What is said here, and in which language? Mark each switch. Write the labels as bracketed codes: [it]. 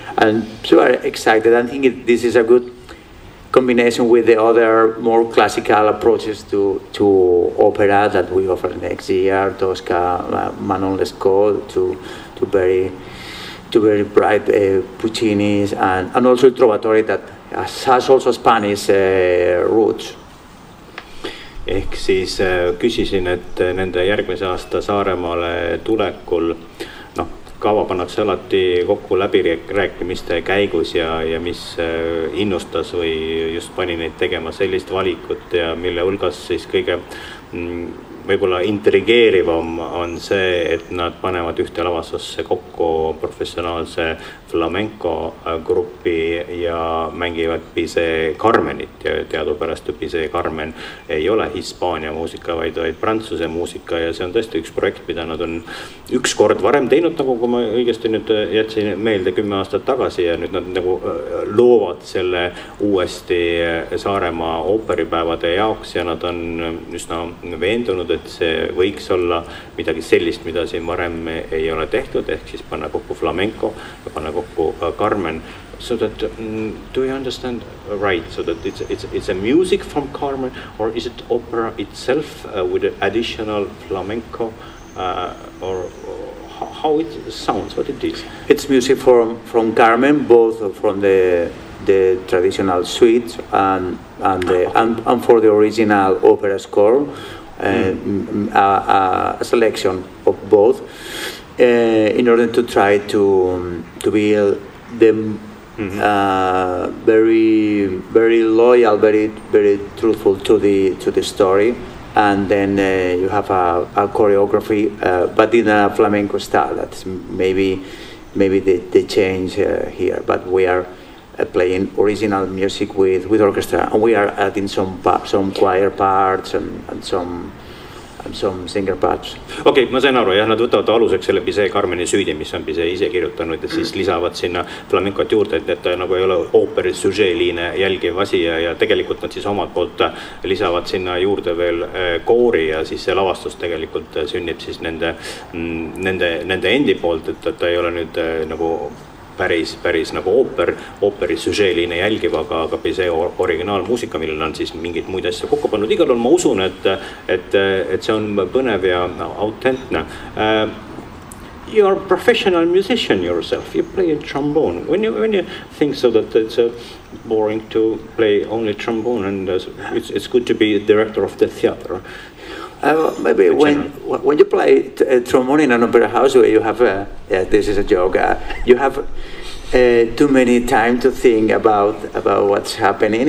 [en] I'm super excited. I think this is a good combination with the other more classical approaches to opera that we offer next year, Tosca, Manon Lescaut, to very bright Puccini's and also Trovatore that has also Spanish roots. [et] Ehk siis küsisin, et nende järgmise aasta Saaremaale tulekul kava pannakse alati kokku läbirääkimiste käigus ja mis innustas või just pani neid tegema sellist valikut ja mille hulgas siis kõige võib-olla intrigeerivam on see, et nad panevad ühte lavastusse kokku professionaalse flamenco gruppi ja mängivad Bizet Carmenit. Ja teadupärast Bizet Carmen ei ole Hispaania muusika, vaid Prantsuse muusika ja see on tõesti üks projekt, mida nad on üks kord varem teinud, nagu kui ma õigesti nüüd jätsin meelde 10 aastat tagasi ja nüüd nad nagu loovad selle uuesti Saarema ooperipäevade jaoks ja nad on üsna veendunud, et see võiks olla midagi sellist, mida siin varem ei ole tehtud, ehk siis panna kokku flamenco ja panna kokku Carmen. [en] So that, do you understand right, so that it's a music from Carmen or is it opera itself with an additional flamenco or how it sounds, what it is? It's music from Carmen, both from the traditional suite and the, and for the original opera score. A selection of both in order to try to build the very very loyal, very very truthful to the story, and then you have a choreography but in a flamenco style. That's maybe the change here, but we are playing original music with orchestra, and we are adding some choir parts and some singer parts. [et] Okei, ma sain aru, ja nad võtavad aluseks selle Bizet Carmeni süüdi, mis on Bizet ise kirjutanud, et siis lisavad sinna flamenkot juurde, et nagu ei ole ooperi sügeeliine jälgiv asi ja tegelikult nad siis omad poolt lisavad sinna juurde veel koori ja siis see lavastus tegelikult sünnib siis nende endi poolt, et ta ei ole nüüd nagu päris nagu ooperi sügeeline jälgiv, aga see originaal muusika, millel on siis mingid muid asja kokku pannud. Igal on ma usun, et see on põnev ja autentne. [en] You're a professional musician yourself. You play a trombone. When you think so that it's boring to play only trombone and it's good to be a director of the theater. Maybe when you play trombone in an opera house where you have too many time to think about what's happening.